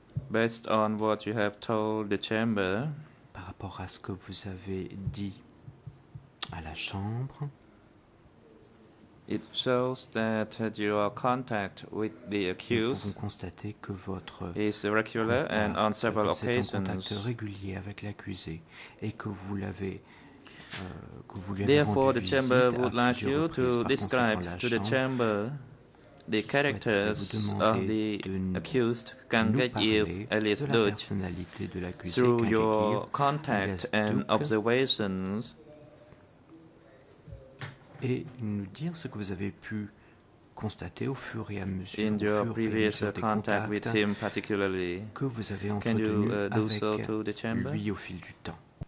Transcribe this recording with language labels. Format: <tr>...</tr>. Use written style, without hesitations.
<en>Based on what you have told the chamber,</en> <fr>par rapport à ce que vous avez dit à la chambre,</fr> <en>it shows that your contact with the accused</en> <fr>vous constatez que votre</fr> <en>is regular and on several occasions.</en> <fr>Vous êtes en contact régulier avec l'accusé et que vous l'avez que vous lui avez rendu visite à plusieurs reprises.</fr> <en>Therefore, the chamber would like you to describe to the chamber the characters of the accused, through your contact and observations.</en> <fr>Et nous dire ce que vous avez pu constater au fur et à mesure,</fr> <en>in your previous contact with him particularly,</en> <fr>que vous avez entretenu avec lui au fil du temps.</fr>